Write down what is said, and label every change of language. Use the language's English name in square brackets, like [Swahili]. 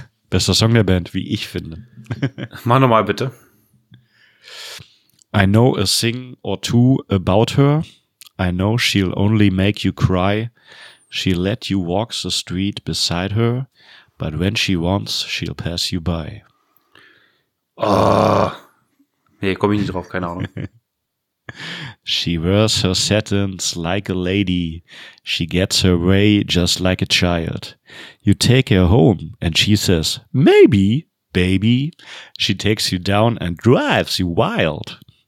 [German] Bester Song der Band, wie ich finde. Mach nochmal bitte. [English] I know a thing or two about her. I know she'll only make you cry. She'll let you walk the street beside her. But when she wants, she'll pass you by. [German] Nee, komm ich nicht drauf, keine Ahnung. [English] She wears her satins like a lady. She gets her way just like a child. You take her home and she says, maybe, baby. She takes you down and drives you wild.